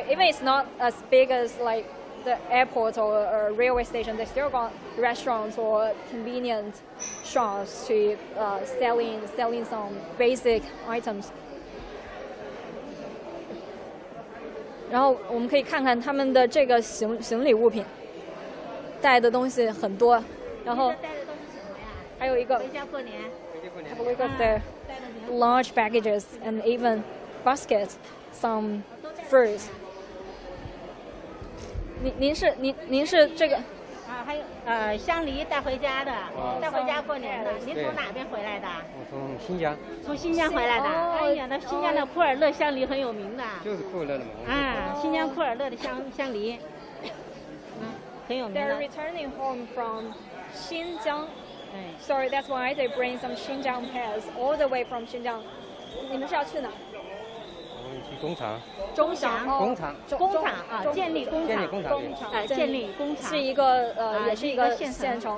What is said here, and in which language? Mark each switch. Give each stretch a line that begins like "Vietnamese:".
English: even it's not as big as like the airport or a railway station, they still got restaurants or convenient shops to selling some basic items.
Chinese: 然后我们可以看看他们的这个行李物品，带的东西很多。然后带的东西什么呀？还有一个回家过年。
English: Have a look at their large baggages and even baskets, some fruits.
Chinese: 您是这个还有香梨带回家的，带回家过年的。您从哪边回来的？我从新疆。从新疆回来的。哎呀，那新疆的库尔勒香梨很有名的。就是库尔勒的嘛。啊，新疆库尔勒的香梨，很有名的。
English: They're returning home from 新疆。 Sorry, that's why they bring some Xinjiang pears all the way from Xinjiang.
Chinese: 你们是要去哪？我们去工厂。中祥工厂。工厂啊，建立工厂。建立工厂。建立工厂。是一个也是一个县城